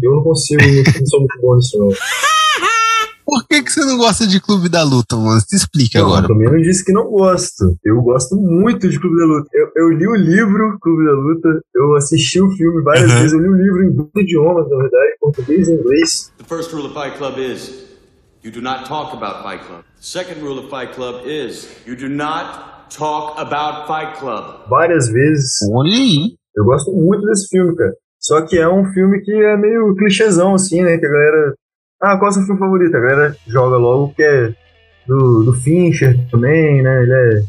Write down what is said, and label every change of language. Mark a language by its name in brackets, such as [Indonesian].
[Portuguese] Eu não consigo, não sou muito bom nisso, não. Por que você não gosta de Clube da Luta, mano? Se explica agora. Eu também não disse que não gosto. Eu gosto muito de Clube da Luta. Eu li o livro Clube da Luta. Eu assisti o filme várias vezes. Eu li o livro em dois idiomas, na verdade, português e inglês. [English] The first rule of Fight Club is you do not talk about Fight Club. The second rule of Fight Club is you do not talk about Fight Club. [Portuguese] Várias vezes. Olha aí. Eu gosto muito desse filme, cara. Só que é um filme que é meio clichêzão, assim, né? Que a galera... Ah, qual é o seu filme favorito? A galera joga logo, que é do Fincher também, né?